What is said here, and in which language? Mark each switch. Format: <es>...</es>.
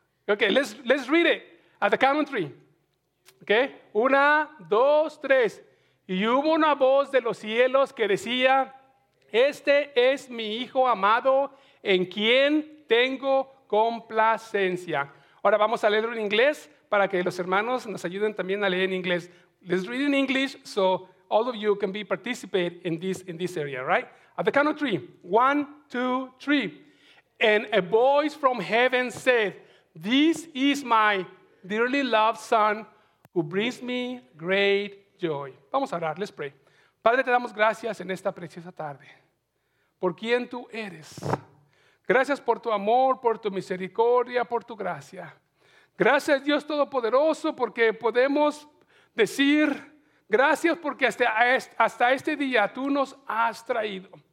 <en>Ok, let's read it at the count of three.</en> <es>Ok, una, dos, tres. Y hubo una voz de los cielos que decía, este es mi Hijo amado en quien tengo complacencia. Ahora vamos a leerlo en inglés para que los hermanos nos ayuden también a leer en inglés.</es> <en>Let's read in English so all of you can be participate in this area, right? At the count of three, one, two, three. And a voice from heaven said, this is my dearly loved son who brings me great joy.</en> <es>Vamos a orar,</es> <en>let's pray.</en> <es>Padre, te damos gracias en esta preciosa tarde por quien tú eres. Gracias por tu amor, por tu misericordia, por tu gracia. Gracias Dios Todopoderoso porque podemos decir gracias porque hasta este día tú nos has traído.</es>